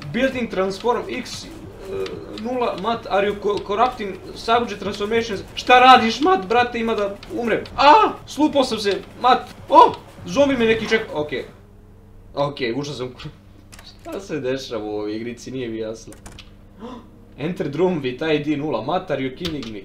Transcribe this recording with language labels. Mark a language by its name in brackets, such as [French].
[English] Building transform x, nula, Mat, are you corrupting subject transformations? [Serbian] Šta radiš, Mat, brate, ima da umrem. A, slupao sam se, Mat, o, zombi me neki čeka. Okej, okay. Okej, okay, ušao sam. Šta se dešava u ovoj igrici, nije mi jasno. [English] Enter room with ID 0, Mat, are you kidding me?